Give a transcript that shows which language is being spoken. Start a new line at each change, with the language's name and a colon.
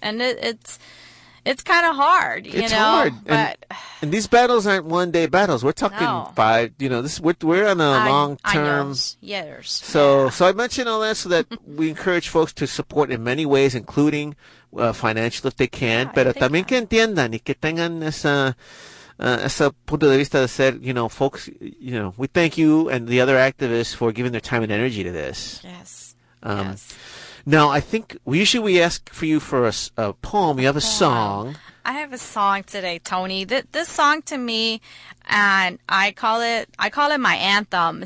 English: And it's kind of hard, you it's know. It's hard, but and these battles aren't one day battles. We're talking five. You know, this we're on a long term. Years. So, so I mentioned all that so that we encourage folks to support in many ways, including financial if they can. Yeah,
Spanish: pero también que entiendan y que tengan esa punto de vista de ser.
English: You know, folks. You know, we thank you and the other activists for giving their time and energy to this. Yes. Now, I think usually we ask for you for a poem. You have a song. I have a song today, Tony. This song to me, and I call it my anthem.